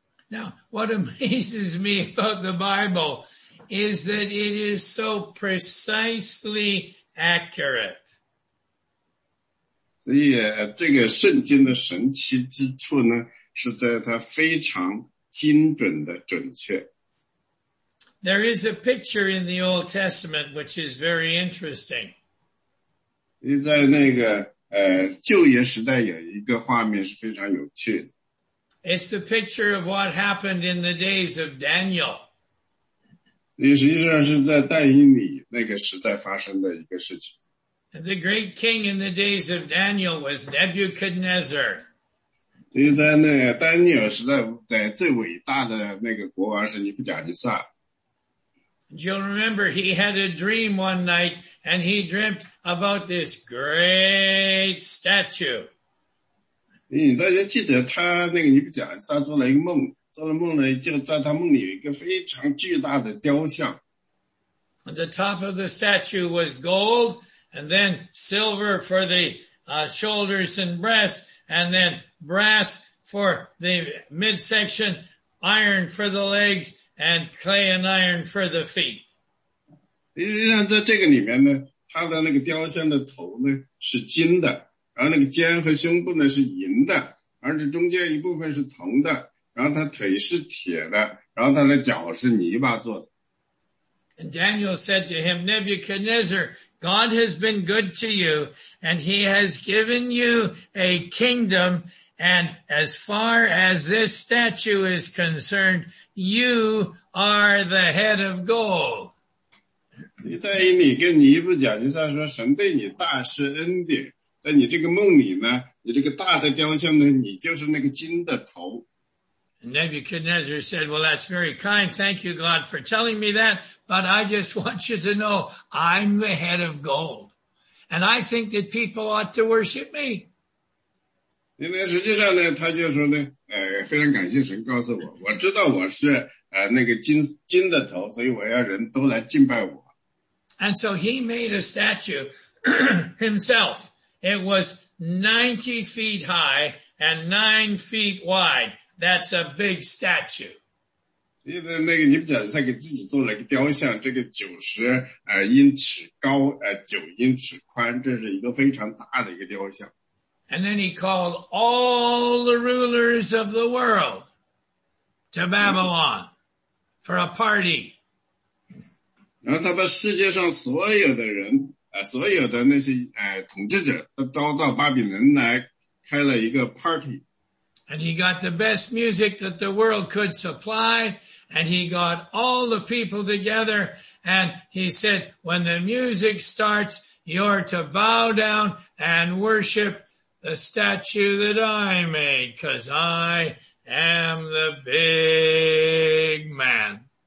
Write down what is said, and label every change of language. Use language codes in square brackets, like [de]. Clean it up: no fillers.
[en] Now, what amazes me about the Bible is that it is so precisely accurate. [zh] 所以这个圣经的神奇之处呢，是在它非常精准的准确。 [en] There is a picture in the Old Testament which is very interesting. [zh] 在那个旧约时代有一个画面是非常有趣的。 [en] It's the picture of what happened in the days of Daniel. [zh] 实际上是在但以理那个时代发生的一个事情。 [en] And the great king in the days of Daniel was Nebuchadnezzar. [zh] 所以在那丹尼尔时代，在最伟大的那个国王是尼布甲尼撒。 [en] You'll remember he had a dream one night, and he dreamt about this great statue. [zh] 大家记得他那个尼布甲尼撒做了一个梦，做了梦呢，就在他梦里有一个非常巨大的雕像。 [en] The top of the statue was gold, and then silver for the shoulders and breast, and then brass for the midsection, iron for the legs. And clay and iron for the feet. [zh] 实际上在这个里面呢，他的那个雕像的头呢是金的，然后那个肩和胸部呢是银的，而且中间一部分是铜的，然后他腿是铁的，然后他的脚是泥巴做的。 [en] And Daniel said to him, Nebuchadnezzar, God has been good to you, and he has given you a kingdom, and as far as this statue is concerned,You are the head of gold. [zh] 你带于你跟尼布甲尼撒说神对你大施恩典在你这个梦里呢你这个大的雕像呢你就是那个金的头。 [en] And Nebuchadnezzar said, well, that's very kind. Thank you, God, for telling me that. But I just want you to know I'm the head of gold. And I think that people ought to worship me. [zh] 因为实际上呢他就说呢非常感谢神告诉我我知道我是那个金的头所以我要人都来敬拜我。 [en] And so he made a statue himself. It was 90 feet high and 9 feet wide. That's a big statue. [zh] 所以呢那个尼布甲尼撒给自己做了一个雕像这个90英尺高9英尺宽这是一个非常大的一个雕像。 [en] And then he called all the rulers of the world to Babylon for a party. [zh] 然后他把世界上所有的人所有的那些统治者都招到巴比伦来开了一个 party. [en] And he got the best music that the world could supply and he got all the people together and he said, when the music starts, you're to bow down and worshipThe statue that I made, cause I am the big man.